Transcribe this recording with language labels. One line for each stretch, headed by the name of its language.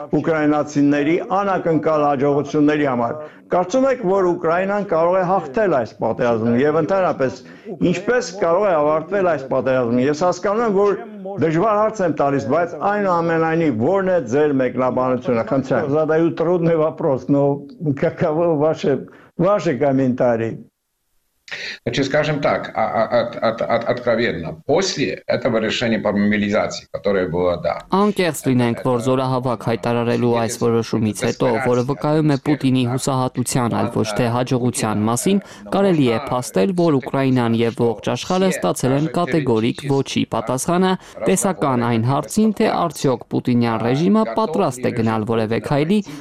Armenian: ուկրաինացիների անակնկալ հաջողությունների համար։ Կարծում եք, որ Ուկրաինան կարող է հաղթել այս պատերազմը եւ ընդհանրապես ինչպես կարող է ավարտվել այս պատերազմը։ Ես հասկանում եմ, որ դժվար հարց եմ տալիս, բայց այնուամենայնիվ, որն է ձեր մեկնաբանությունը, խնդրեմ։
Russian: Задаю трудный вопрос, но каково ваши комментарии? Значит, скажем так, откровенно, после этого решения по мобилизации, которое было, да.
Armenian: Անկեղծ լինենք, որ զորահավաք հայտարարելու այս որոշումից հետո, որը վկայում է Պուտինի հուսահատության, այլ ոչ թե հաջողության մասին, կարելի է փաստել, որ Ուկրաինան եւ ողջ աշխարհը ստացել են կատեգորիկ ոչի պատասխանը տեսական այն հարցին, թե արդյոք Պուտինյան ռեժիմը պատրաստ է գնալ որևէ քայլի